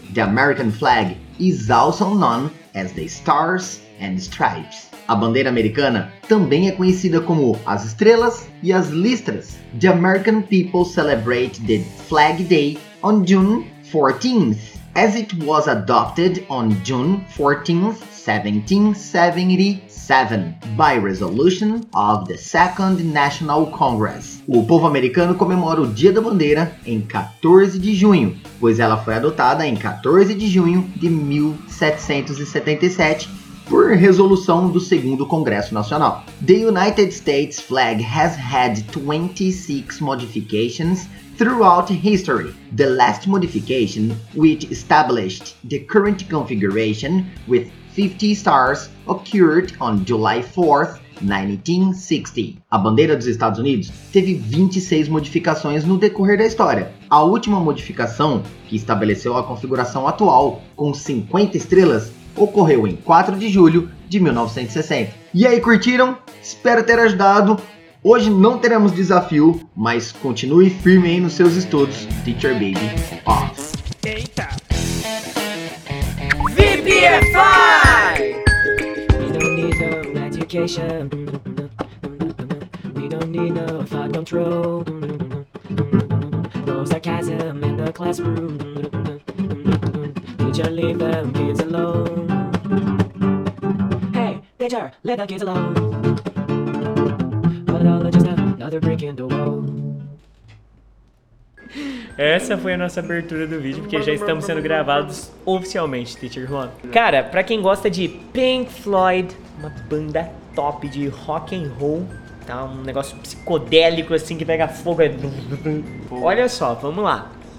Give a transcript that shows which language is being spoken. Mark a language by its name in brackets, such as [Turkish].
[English] The American flag is also known as the stars and stripes. [Portuguese] A bandeira americana também é conhecida como as estrelas e as listras. [English] The American people celebrate the Flag Day on June 14th, as it was adopted on June 14th, 1777, by resolution of the Second National Congress. [Portuguese] O povo americano comemora o Dia da Bandeira em 14 de junho, pois ela foi adotada em 14 de junho de 1777, por resolução do 2º Congresso Nacional. [English] The United States flag has had 26 modifications throughout history. The last modification, which established the current configuration with 50 stars, occurred on July 4th, 1960. [Portuguese] A bandeira dos Estados Unidos teve 26 modificações no decorrer da história. A última modificação, que estabeleceu a configuração atual com 50 estrelas, ocorreu em 4 de julho de 1960. E aí, curtiram? Espero ter ajudado. Hoje não teremos desafio, mas continue firme aí nos seus estudos. [English] Teacher Baby, off. [Portuguese] Eita! [English] VPFI! We don't need no education. We don't need no thought control. No sarcasm in the classroom. Teacher, leave them kids alone. Teacher, let the kids alone. But all just another brick in the wall. [Portuguese] Essa foi a nossa abertura do vídeo, porque já estamos sendo gravados oficialmente, Teacher Juan. Cara, pra quem gosta de Pink Floyd, uma banda top de rock and roll, tá? Um negócio psicodélico assim que pega fogo. Olha só, vamos lá.